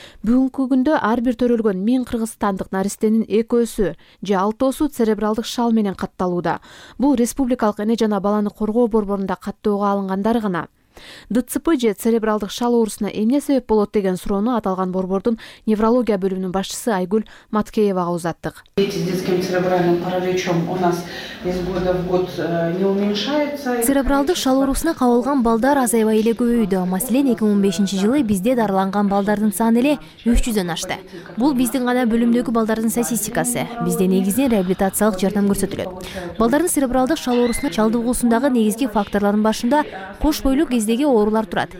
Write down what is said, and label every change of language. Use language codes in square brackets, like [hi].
[ky] Бүгүнкү күндө ар бир төрөлгөн 1000 кыргызстандык наристенин 2-сү же 6-сү церебралдык шал менен катталууда. Бул республикалык эне жана баланы коргоо борборунда каттоого алынгандар гана. ДЦП же церебралдык шал оорусуна эмне себеп болот деген суроону аталган борбордун неврология бөлүмүнүн башчысы Айгүл Маткеевага узаттык. [ru] Дети с детским церебральным параличом у нас из года в год не уменьшается. [ky] Церебралдык шал оорусуна кабылган балдар азайбай эле көбөйдү. Маселен 2015 жылы бизде дарыланган балдардын саны эле 300 ашты. Бул биздин гана бөлүмдөгү балдардын статистикасы. Бизде негизинен реабилитациялык жардам көрсөтүлөт. Балдардын церебралдык шал оорусуна чалдыгуусундагы негизги факторлордун башында кош бойлуу кездеги оорулар турат.